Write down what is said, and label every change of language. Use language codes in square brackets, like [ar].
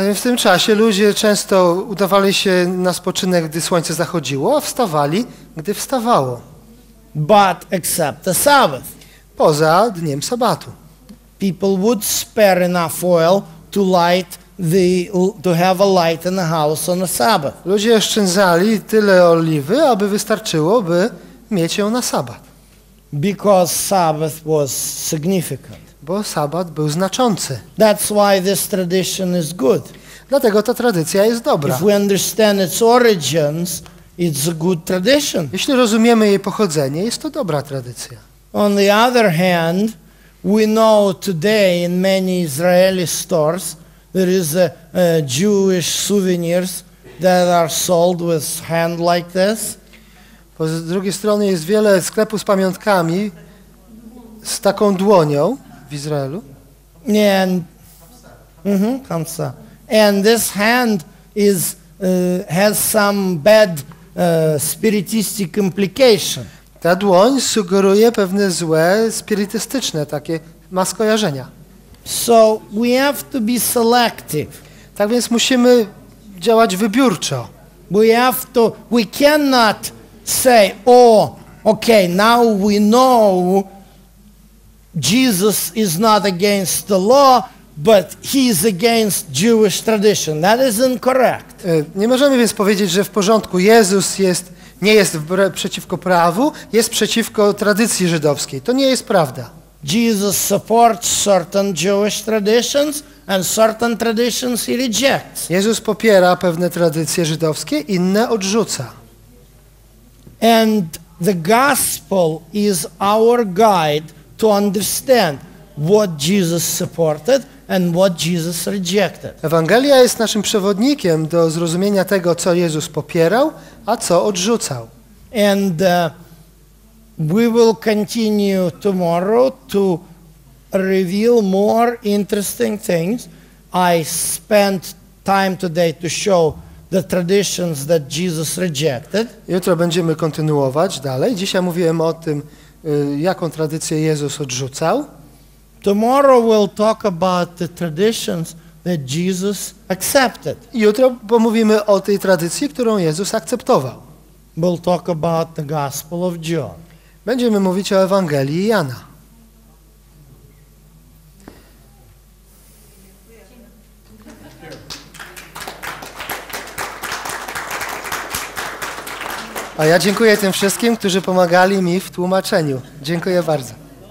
[pl] A w tym czasie ludzie często udawali się na spoczynek, gdy słońce zachodziło, a wstawali, gdy wstawało. [en] But except the Sabbath. [pl] Poza dniem sabatu. [en] People would spare enough oil to light the to have a light in the house on the Sabbath. [pl] Ludzie oszczędzali tyle oliwy, aby wystarczyło, by mieć ją na sabat. [en] Because Sabbath was significant. [pl] Bo sabat był znaczący. [en] That's why this tradition is good. [pl] Dlatego ta tradycja jest dobra. [en] If we understand its origins, it's a good tradition. [pl] Jeśli rozumiemy jej pochodzenie, jest to dobra tradycja. [en] On the other hand, we know today in many Israeli stores there is a Jewish souvenirs that are sold with hand like this. [pl] Bo z drugiej strony jest wiele sklepów z pamiątkami z taką dłonią w Izraelu. [en] And Kamsa. And this hand is has some bad spiritistic implication. [pl] Ta dłoń sugeruje pewne złe spirytystyczne takie ma skojarzenia. [en] So we have to be selective. [pl] Tak więc musimy działać wybiórczo. [en] We cannot say, oh, okay, now we know Jesus is not against the law, but he is against Jewish tradition. That is incorrect. [pl] Nie możemy więc powiedzieć, że w porządku, Jezus jest, nie jest przeciwko prawu, jest przeciwko tradycji żydowskiej. To nie jest prawda. [en] Jesus supports certain Jewish traditions and certain traditions he rejects. [pl] Jezus popiera pewne tradycje żydowskie, inne odrzuca. [en] And the gospel is our guide to understand what Jesus supported and what Jesus rejected. [pl] Ewangelia jest naszym przewodnikiem do zrozumienia tego, co Jezus popierał, a co odrzucał. [en] And we will continue tomorrow to reveal more interesting things. I spent time today to show the traditions that Jesus rejected. [pl] Jutro będziemy kontynuować dalej. Dzisiaj mówiłem o tym, jaką tradycję Jezus odrzucał. [en] Tomorrow we'll talk about the traditions that Jesus accepted. [pl] Jutro pomówimy o tej tradycji, którą Jezus akceptował. [en] We'll talk about the Gospel of John. [pl] Będziemy mówić o Ewangelii Jana. A ja dziękuję tym wszystkim, którzy pomagali mi w tłumaczeniu. Dziękuję bardzo.